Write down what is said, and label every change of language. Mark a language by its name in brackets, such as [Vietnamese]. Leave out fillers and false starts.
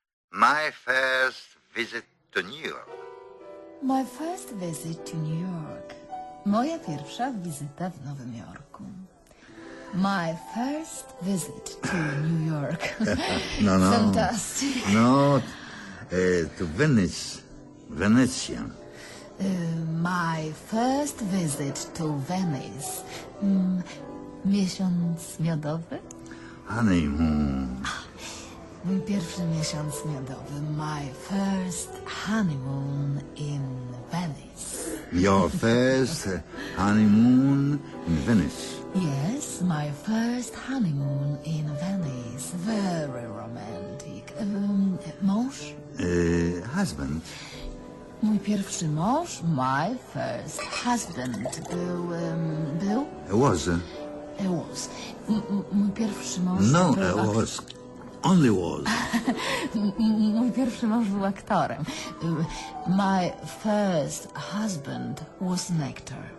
[English] My first visit to New York. My first visit to New York. [Polish] Moja pierwsza wizyta w Nowym Jorku. [English] My first visit to New York. No. Fantastic. No, to Venice. [Polish] Wenecja. [English] My first visit to Venice. [Polish] Miesiąc miodowy? [English] Honeymoon. [Polish] Mój pierwszy miesiąc miodowy. [English] My first honeymoon in Venice. Your first honeymoon in Venice. Yes, my first honeymoon in Venice. Very romantic. [Polish] Mąż? [English] Husband. [Polish] Mój pierwszy mąż, [English] my first husband, [Polish] był... był? [English] It was. [Polish] Mój pierwszy mąż... [English] No, it was. Only was. [Polish] Mój pierwszy mąż był aktorem. [English] My first husband was an actor.